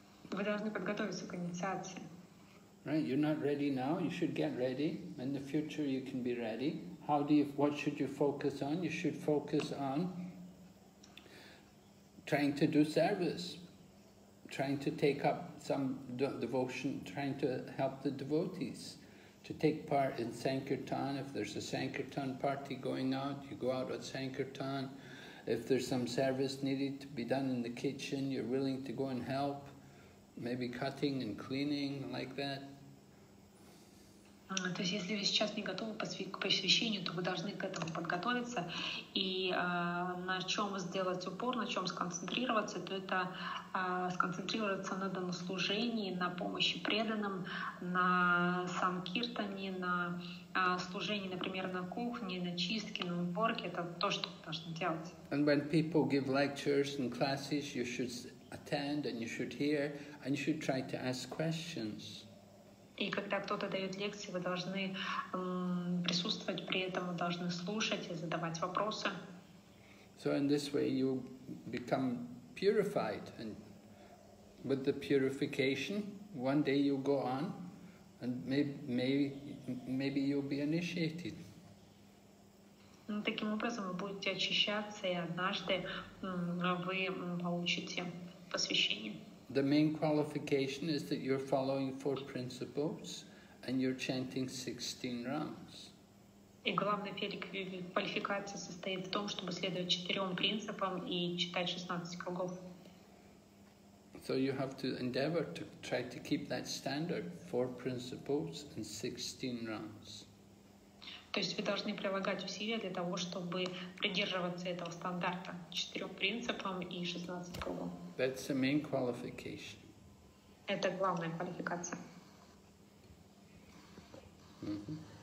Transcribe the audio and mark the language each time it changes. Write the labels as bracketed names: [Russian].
[Russian] Вы должны подготовиться к инициации. [English] Right, you're not ready now, you should get ready. In the future you can be ready. What should you focus on? You should focus on trying to do service, trying to take up some devotion, trying to help the devotees. To take part in Sankirtan, if there's a Sankirtan party going out, you go out at Sankirtan. If there's some service needed to be done in the kitchen, you're willing to go and help, maybe cutting and cleaning, like that. [Russian] То есть, если вы сейчас не готовы к посвящению, то вы должны к этому подготовиться. И на чем сделать упор, на чем сконцентрироваться, то это сконцентрироваться на данослужении, на помощи преданным, на санкиртане, на служении, например, на кухне, на чистке, на уборке. Это то, что вы должны делать. [English] And when people give lectures and classes, you should attend and you should hear and you should try to ask questions. [Russian] И когда кто-то дает лекции, вы должны присутствовать при этом, вы должны слушать и задавать вопросы. [English] So in this way you become purified, and with the purification, one day you go on, and maybe you'll be initiated. [Russian] Таким образом вы будете очищаться, и однажды вы получите посвящение. [English] The main qualification is that you're following four principles and you're chanting 16 rounds. [Russian] И главная квалификация состоит в том, чтобы следовать четырем принципам и читать 16 кругов. [English] So you have to endeavor to try to keep that standard, four principles and 16 rounds. [Russian] То есть вы должны прилагать усилия для того, чтобы придерживаться этого стандарта, четырем принципам и 16 кругов. [English] That's the main qualification. [Russian] Это главная квалификация. Mm-hmm.